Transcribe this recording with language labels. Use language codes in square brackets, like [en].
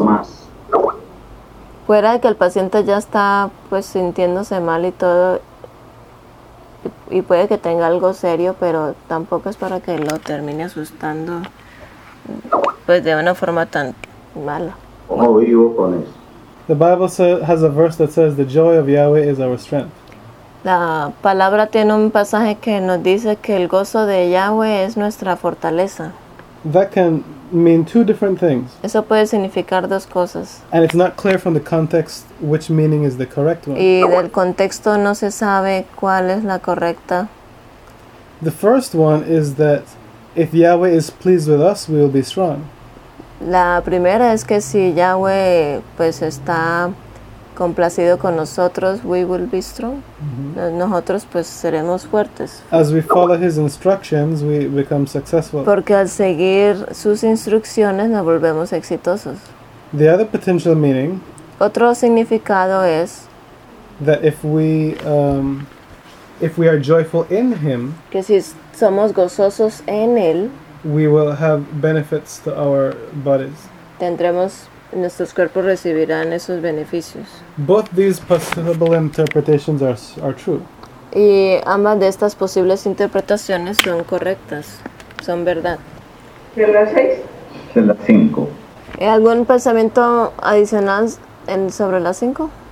[es] más. Fuera de que el paciente ya está pues sintiéndose mal y todo, y puede que tenga algo serio, pero tampoco es para que lo termine asustando pues de una forma tan mala. ¿Cómo vivo con eso? [en] The Bible has a verse that says the joy of Yahweh is our strength. [es] La palabra tiene un pasaje que nos dice que el gozo de Yahweh es nuestra fortaleza. [en] That can mean two different things. [es] Eso puede significar dos cosas. [en] And it's not clear from the context which meaning is the correct one. [es] Y del contexto no se sabe cuál es la correcta. [en] The first one is that if Yahweh is pleased with us, we will be strong. [es] La primera es que si Yahweh pues está complacido con nosotros, [en] we will be strong. [es] Mm-hmm. Nosotros pues seremos fuertes. [en] As we follow his instructions, we become successful. [es] Porque al seguir sus instrucciones nos volvemos exitosos. [en] The other potential meaning. [es] Otro significado es [en] that if we are joyful in him, [es] que si somos gozosos en él, [en] we will have benefits to our bodies. [es] Tendremos, nuestros cuerpos recibirán esos beneficios. [en] Both these possible interpretations are true. [es] Y ambas de estas posibles interpretaciones son correctas, son verdad. ¿De las seis? De las cinco. ¿Y algún pensamiento adicional sobre las cinco?